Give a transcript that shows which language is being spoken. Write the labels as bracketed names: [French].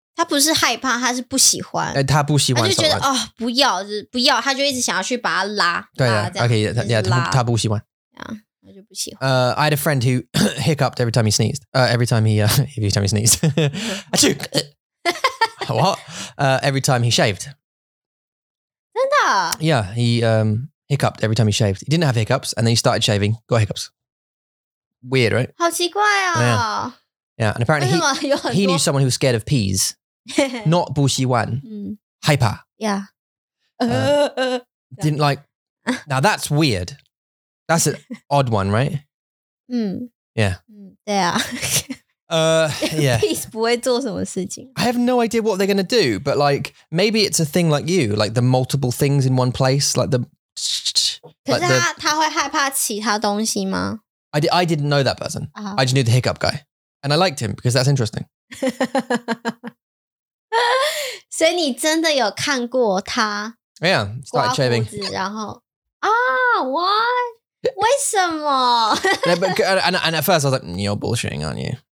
[Chinese] 他不是害怕，他是不喜欢。他不喜欢，他就觉得哦，不要，就是不要，他就一直想要去把他拉。对的，OK， 他不喜欢。啊，他就不喜欢。 [English] I had a friend who hiccuped every time he sneezed. Every time he sneezed. Achoo. What? Every time he shaved. [Chinese] 真的 [English] ？Yeah, he hiccuped every time he shaved. He didn't have hiccups, and then he started shaving. Got hiccups. Weird, right? [Chinese] 好奇怪啊。 [English] Yeah. Yeah, and apparently he knew someone who was scared of peas. Not Bushi Wan. Hyper. Yeah. Didn't like. Now that's weird. That's an odd one, right? Yeah. Yeah. Yeah. [Chinese] Peas 不会做什么事情。 [English] I have no idea what they're going to do, but like maybe it's a thing like you, like the multiple things in one place, like the. [Chinese] 可是他会害怕其他东西吗 [English] I didn't know that person. I just knew the hiccup guy. And I liked him because that's interesting. [Chinese] 所以你真的有看过他 [English] Yeah, started shaving. [Chinese] 然后啊、 [English] oh, what? [Chinese] 为什么 [English] no, but, and at first I was like, you're bullshitting, aren't you?